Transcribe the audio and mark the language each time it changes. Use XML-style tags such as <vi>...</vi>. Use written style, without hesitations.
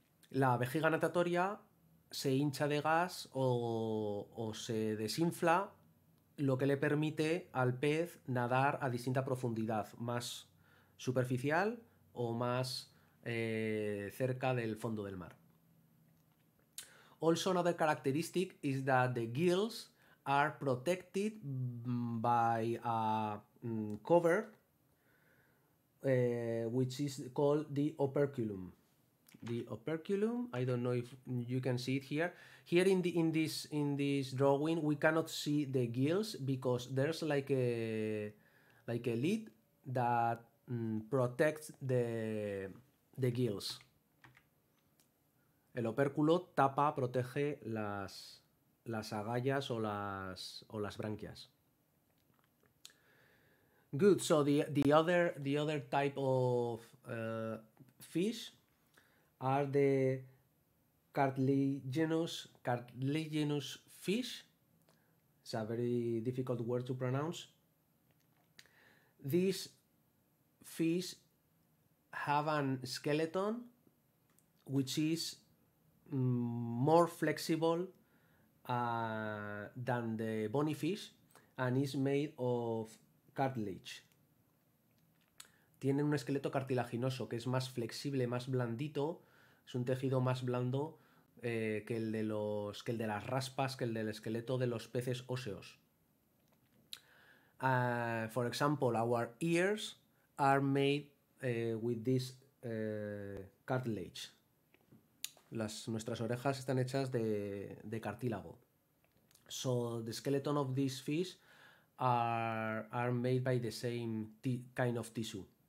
<es>La vejiga natatoria se hincha de gas o se desinfla, lo que le permite al pez nadar a distinta profundidad, más superficial o más cerca del fondo del mar.</es> <en>Also, another characteristic is that the gills are protected by a cover which is called the operculum. The operculum, I don't know if you can see it here. Here in this drawing, we cannot see the gills because there's like a lid that protects the gills.</en> <es>El opérculo tapa, protege las agallas o las branquias.</es> <en>Good, so the other type of fish are the cartilaginous fish. It's a very difficult word to pronounce. These fish have a skeleton which is more flexible than the bony fish and is made of cartilage.</en> <es>Tienen un esqueleto cartilaginoso que es más flexible, más blandito. Es un tejido más blando que el de las raspas, que el del esqueleto de los peces óseos.</es> <en>For example, our ears are made with this cartilage.</en> <es>Nuestras orejas están hechas de cartílago.</es> <en>So the skeleton of these fish are made by the same kind of tissue.</en>